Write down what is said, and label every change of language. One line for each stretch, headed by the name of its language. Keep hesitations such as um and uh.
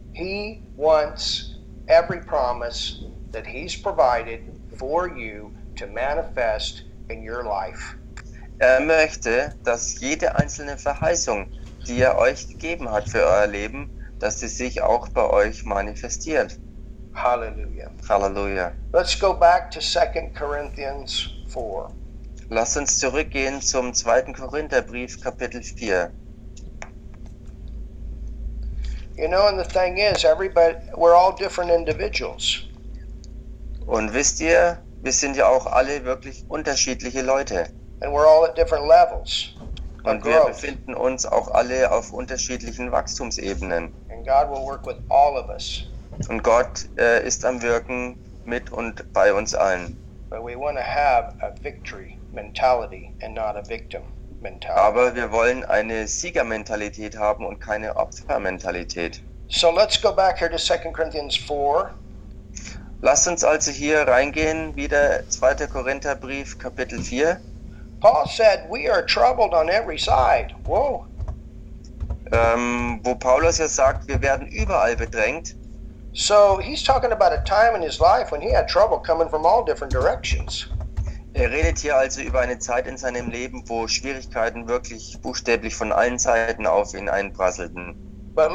English: He wants every promise that He's provided for you to manifest in your life.
German: Er möchte, dass jede einzelne Verheißung, die er euch gegeben hat für euer Leben, dass sie sich auch bei euch manifestiert. Halleluja.
English: Halleluja. Let's go back to 2 Corinthians 4.
German: Lass uns zurückgehen zum 2. Korintherbrief, Kapitel 4.
English: You know, and the thing is, everybody, we're all different individuals.
German: Und wisst ihr, wir sind ja auch alle wirklich unterschiedliche Leute.
English: And we're all at different levels.
German: Und wir befinden uns auch alle auf unterschiedlichen Wachstumsebenen.
English: And God will work with all of us.
German: Und Gott äh, ist am Wirken mit und bei uns allen.
English: But we want to have a victory mentality and not a victim mentality.
German: Aber wir wollen eine Siegermentalität haben und keine Opfermentalität.
English: So let's go back here to 2 Corinthians 4.
German: Lasst uns also hier reingehen, wieder 2. Korintherbrief, Kapitel 4.
English: Paul said, we are troubled on every side. Whoa.
German: Ähm, um, Paulus ja sagt, wir werden überall bedrängt.
English: So he's talking about a time in his life when he had trouble coming from all different directions.
German: Er redet hier also über eine Zeit in seinem Leben, wo Schwierigkeiten wirklich buchstäblich von allen Seiten auf ihn einprasselten.